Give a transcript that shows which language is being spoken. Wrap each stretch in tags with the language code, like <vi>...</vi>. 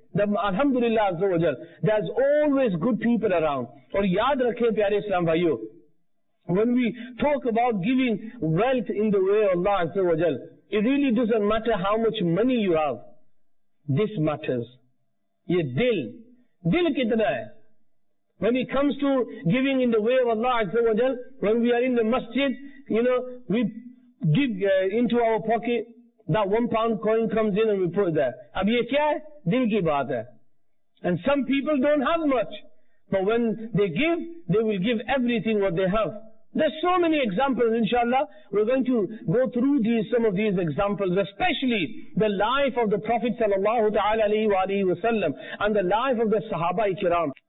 <en>Alhamdulillah Azza wa Jal, there's always good people around.</en> <ur>Aur yaad rakhe, Pyare Islam Bhaiyo,</ur> <en>when we talk about giving wealth in the way of Allah Azza wa Jal, it really doesn't matter how much money you have. This matters.</en> <ur>یہ دل کتنا ہے؟</ur> <en>When it comes to giving in the way of Allah Azza wa Jal, when we are in the masjid, you know, we dig into our pocket, that £1 coin comes in and we put it there.</en> <ur>اب یہ کیا ہے؟ دل کی بات ہے۔</ur> <en>And some people don't have much. But when they give, they will give everything what they have. There's so many examples, inshallah. We're going to go through some of these examples, especially the life of the Prophet sallallahu ta'ala alayhi wa sallam and the life of the Sahaba ikram.</en>